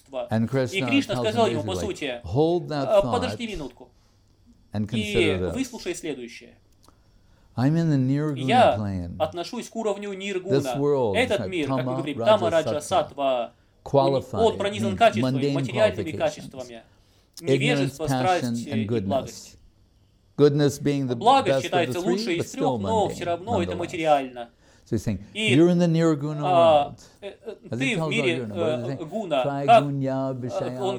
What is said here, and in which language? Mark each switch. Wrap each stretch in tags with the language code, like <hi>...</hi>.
<en>And Krishna tells him basically, hold that thought and consider this. I'm in the Nirguna plane.</en> <ru>Я отношусь к уровню Ниргуна.</ru> <en>This world,</en> <ru>этот мир, как говорит Тама Раджа Сатва,</ru> <en>qualified,</en> <ru>он пронизан качествами, материальными качествами. Невежество, страсть и благость.</ru> <en>Goodness being the</en> <ru>благость</ru> <en>best</en> <ru>считается лучшей из трех, но все равно это материально.</ru> <en>So he's saying, you're in the Nirguna world. As he tells Arjuna, what does he say?</en>